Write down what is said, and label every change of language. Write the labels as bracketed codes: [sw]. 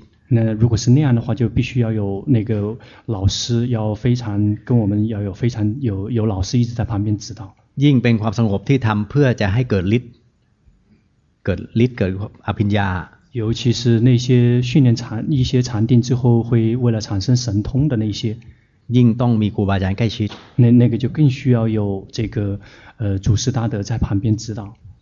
[zh] 那如果是那样的话，就必须要有那个老师要非常跟我们要有非常有老师一直在旁边指导。 [th] ยิ่งเป็นความสงบที่ทำเพื่อจะให้เกิดฤทธิ์เกิดอภิญญา [zh] 尤其是那些训练禅一些禅定之后会为了产生神通的那些 [th] ยิ่งต้องมีครูบาอาจารย์ใกล้ชิด [zh] 那个就更需要有这个祖师大德在旁边指导